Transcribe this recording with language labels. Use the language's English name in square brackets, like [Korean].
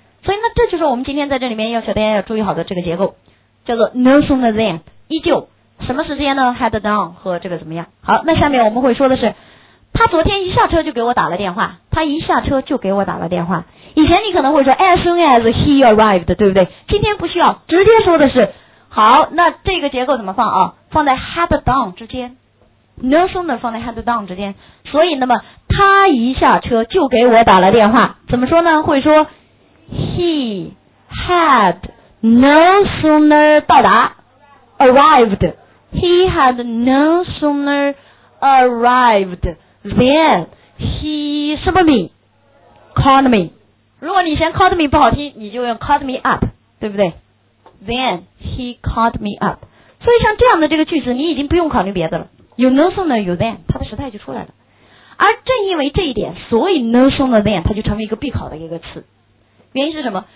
[Chinese] 所以那这就是我们今天在这里面要求大家要注意好的这个结构，叫做 no sooner than 依旧，什么时间呢？ had done 和这个怎么样。好，那下面我们会说的是，他昨天一下车就给我打了电话，他一下车就给我打了电话。以前你可能会说 [English] as soon as he arrived， [Chinese] 对不对？今天不需要，直接说的是，好，那这个结构怎么放啊？放在 had done 之间，no sooner 放在 had done 之间。所以那么他一下车就给我打了电话，怎么说呢？会说 [English] he had no sooner [Chinese] 到达 [English] arrived， he had no sooner arrived than he [Chinese] 什么 [English] me called me。 [Chinese] 如果你嫌 [English] called me [Chinese] 不好听，你就用 [English] called me up， [Chinese] 对不对？ [English] then he called me up。 [Chinese] 所以像这样的这个句子你已经不用考虑别的了，有 no sooner 有 than， 它的时态就出来了。而正因为这一点，所以 no sooner than 它就成为一个必考的一个词。原因是什么？